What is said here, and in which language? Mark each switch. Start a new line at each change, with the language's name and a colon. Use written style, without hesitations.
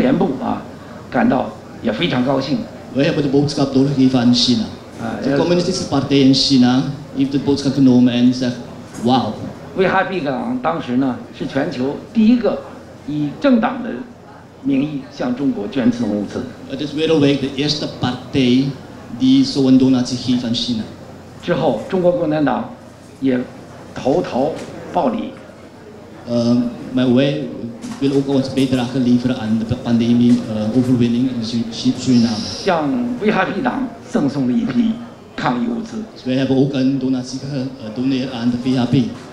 Chinese: 当我们把这一消息送给北京的发给北京的时候，北京中国共产党啊，中国共产党这叫中联部啊，感到也非常高兴。
Dutch: Wij hebben de boodschap doorgegeven aan China. De communistische partij in China heeft de boodschap genomen en zegt: wauw.
Chinese: VHP-港当时呢是全球第一个以政党的名义向中国捐赠物资。
Dutch: Het is wereldwijd de eerste partij die zo'n donatie geeft aan China.
Chinese: 之后，中国共产党也投桃报李。
Dutch: Maar wij willen ook ons bijdrage leveren aan de pandemie overwinning in Suriname.
Chinese: 向 VHP-党 赠送了一批抗疫物资。
Dutch: So wij hebben ook een donatie doneren aan de VHP.